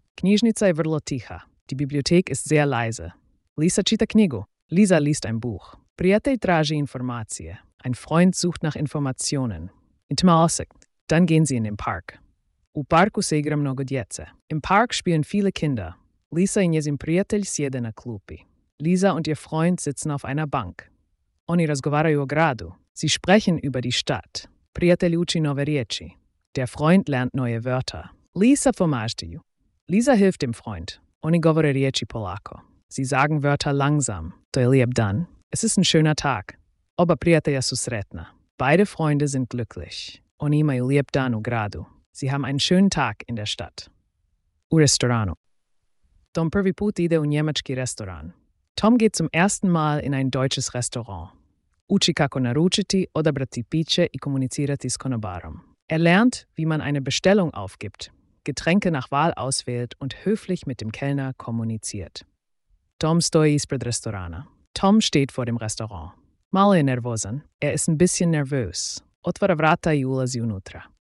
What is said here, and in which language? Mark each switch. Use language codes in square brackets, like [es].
[hr] Knjižnica je vrlo tiha. [de] Die Bibliothek ist sehr leise. [hr] Lisa čita knjigu. [de] Lisa liest ein Buch. [hr] Prijatelj traži informacije. [de] Ein Freund sucht nach Informationen. Intimaosek. Dann gehen sie in den Park. [hr] U parku se igra mnogo djece. [de] Im Park spielen viele Kinder. [hr] Lisa i njezin prijatelj sjede na klupi. [de] Lisa und ihr Freund sitzen auf einer Bank. [hr] Oni razgovaraju o gradu. [de] Sie sprechen über die Stadt. [hr] Prijatelj uči nove riječi. [de] Der Freund lernt neue Wörter. [hr] Lisa pomažu. [de] Lisa hilft dem Freund. [hr] Oni govore riječi polako. [de] Sie sagen Wörter langsam. [hr] To je lijep dan. [de] Es ist ein schöner Tag. [hr] Oba prijatelja su sretna. [de] Beide Freunde sind glücklich. [hr] Oni imaju lijep dan u gradu. [de] Sie haben einen schönen Tag in der Stadt. [hr] U restoranu. Tom prvi put ide u njemački restoran. [de] Tom geht zum ersten Mal in ein deutsches Restaurant. [hr] Uči kako naručiti, odabrati piće i komunicirati s konobarom. [de] Lernt, wie man eine Bestellung aufgibt, Getränke nach Wahl auswählt und höflich mit dem Kellner kommuniziert. [hr] Tom stoji ispred restorana. [de] Tom steht vor dem Restaurant. [hr] Malo je nervozan. [de] Ist ein bisschen nervös. [hr] Otvara vrata i ulazi unutra.